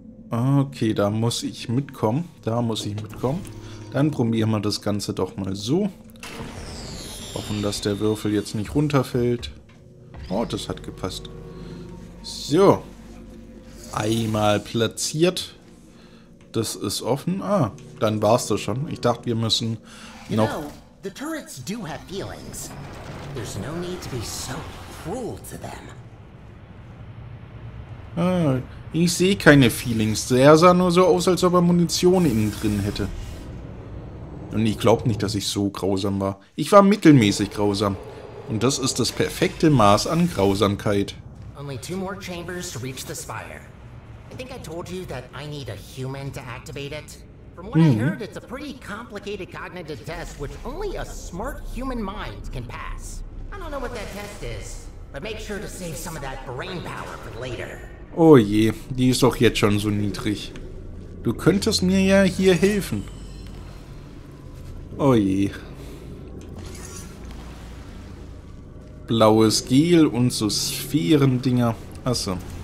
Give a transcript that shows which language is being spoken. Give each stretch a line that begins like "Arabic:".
German: Okay, da muss ich mitkommen. Dann probieren wir das Ganze doch mal so. Hoffen, dass der Würfel jetzt nicht runterfällt. Oh, das hat gepasst. So. Einmal platziert. Das ist offen. Ah, dann war's das schon. Ich dachte, wir müssen noch...
English: You know, the turrets do have feelings. There's no need to be so cruel to them.
German: Ah, ich sehe keine Feelings. Der sah nur so aus, als ob er Munition innen drin hätte. Und ich glaube nicht, dass ich so grausam war. Ich war mittelmäßig grausam. Und das ist das perfekte Maß an Grausamkeit.
English: Only two more chambers to reach the spire. I think I told you that I need a human to activate it. From what I heard, it's a pretty complicated cognitive test, which only a smart human mind can pass. I don't know what that test is, but make sure to save some of that brain power for later.
German: Oh je, die ist doch jetzt schon so niedrig. Du könntest mir ja hier helfen. Oh je. Blaues Gel und so Sphärendinger. Achso.